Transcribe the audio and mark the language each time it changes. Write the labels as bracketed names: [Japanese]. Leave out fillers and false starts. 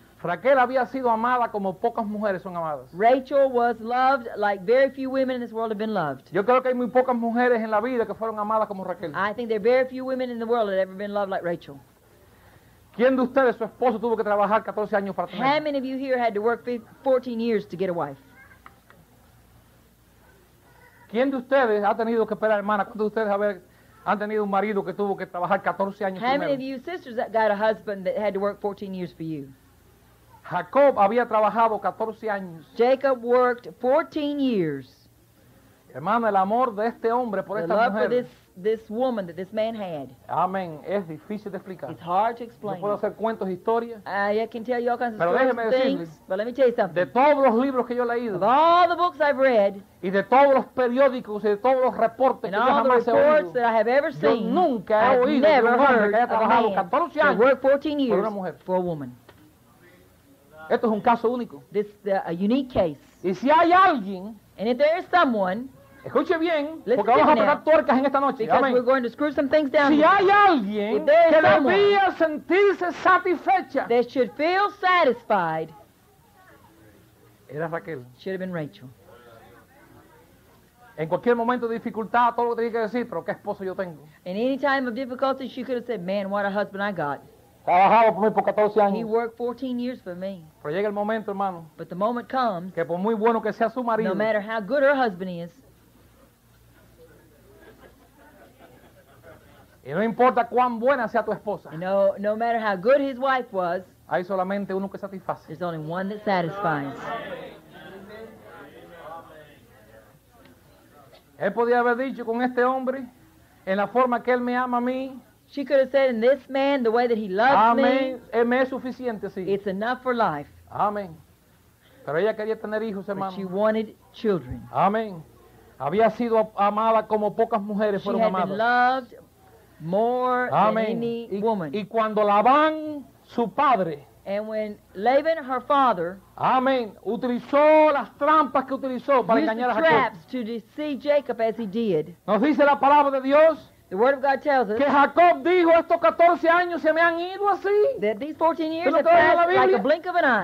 [Spanish] Raquel había sido amada como pocas mujeres son amadas. [English] Rachel was loved like very few women in this world have been loved. [Spanish] Yo creo que hay muy pocas mujeres en la vida que fueron amadas como Raquel. [English] I think there are very few women in the world that have ever been loved like Rachel. [Spanish] ¿Quién de ustedes, su esposo, tuvo que trabajar 14 años para tener? [English] How many of you here had to work 14 years to get a wife? [Spanish] ¿Quién de ustedes ha tenido que esperar, hermana? ¿Cuántos de ustedes han tenido un marido que tuvo que trabajar 14 años primero? [English] How many of you sisters that got a husband that had to work 14 years for you? [Spanish] Jacob había trabajado 14 años. [English] Jacob worked 14 years. [Spanish] Hermano, el amor de este hombre por [English] the [Spanish] esta mujer. [English] The love for this woman that this man had. [Spanish] Amén. Es difícil de explicar. [English] It's hard to explain. [Spanish] Yo puedo hacer cuentos, historias. [English] I can tell you all kinds of [Spanish] pero [English] stories. [Spanish] Pero déjeme [English] things, [Spanish] decirle. [English] But let me tell you something. [Spanish] De todos los libros que yo he leído. [English] Of all the books I've read. [Spanish] Y de todos los periódicos y de todos los reportes que yo jamás he oído. [English] That I have ever seen. [Spanish] Yo nunca he oído. [English] I've never heard [Spanish] que haya trabajado 14 años. [English] To work 14 years [Spanish] por una mujer. [English] For a woman. [Spanish] Esto es un caso único. [English] This is a unique case. [Spanish] Y si hay alguien, [English] and if there is someone, [Spanish] escuche bien, [English] listen [Spanish] porque vamos [English] to [Spanish] a tocar tuercas en esta noche. [English] Because [Spanish] amen. [English] We're going to screw some things down. [Spanish] Si [English] here. [Spanish] Hay alguien [English] if there is [Spanish] que [English] someone [Spanish] debía sentirse satisfecha, [English] they should feel satisfied. [Spanish] Era Raquel. [English] Should have been Rachel. [Spanish] En cualquier momento de dificultad, todo lo que tenía que decir, pero qué esposo yo tengo. [English] In any time of difficulty, she could have said, "Man, what a husband I got." [Spanish] Trabajaba por mí por 14 años. [English] He worked 14 years for me. [Spanish] Pero llega el momento, hermano. [English] But the moment comes. [Spanish] Que por muy bueno que sea su marido. [English] No matter how good her husband is. [Spanish] Y no importa cuán buena sea tu esposa. [English] No matter how good his wife was. [Spanish] Hay solamente uno que satisface. [English] There's only one that satisfies. [Spanish] Él podía haber dicho con este hombre. En la forma que él me ama a mí. [English] She could have said, in this man, the way that he loves [Spanish] amen. [English] Me, [Spanish] me es suficiente, sí. [English] It's enough for life. [Spanish] Amen. Pero ella quería tener hijos, [English] but [Spanish] hermano. [English] She wanted children. [Spanish] Amen. Había sido amada como pocas mujeres [English] she [Spanish] fueron amadas. [English] She had been loved more [Spanish] amen. [English] Than any [Spanish] y, [English] woman. [Spanish] Y cuando Labán, su padre, [English] And when Laban, her father, [Spanish] amen, utilizó las trampas que utilizó para engañar a Jacob, [English] used the traps to deceive Jacob as he did. [Spanish] Nos dice la palabra de Dios. [English] The word of God tells us [Spanish] que Jacob dijo, estos 14 años se me han ido así. [English] That these 14 years have passed like a blink of an eye.